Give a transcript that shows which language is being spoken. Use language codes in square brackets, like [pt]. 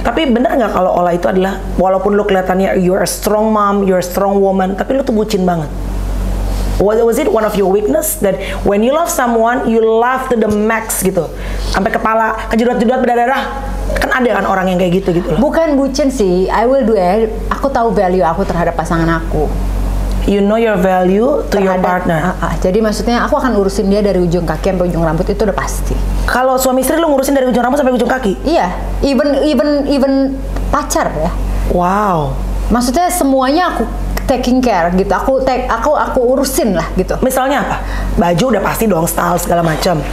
[id] Tapi benar enggak kalau Ola itu adalah walaupun lu kelihatannya [en] you're a strong mom, you're a strong woman, [id] tapi lu tuh bucin banget. [en] Was it one of your weakness that when you love someone you love to the max [id] gitu sampai kepala kejedot-jedot berdarah? Kan ada kan orang yang kayak gitu gitu loh. Bukan bucin sih, [en] I will do it. [id] Aku tahu value aku terhadap pasangan aku. [en] You know your value to terhadap, your partner. [id] Jadi maksudnya aku akan urusin dia dari ujung kaki sampai ujung rambut, itu udah pasti. Kalau suami istri lu ngurusin dari ujung rambut sampai ujung kaki? Iya, even pacar ya. Wow. Maksudnya semuanya aku [en] taking care [id] gitu, aku urusin lah gitu. Misalnya apa? Baju udah pasti dong, style segala macam.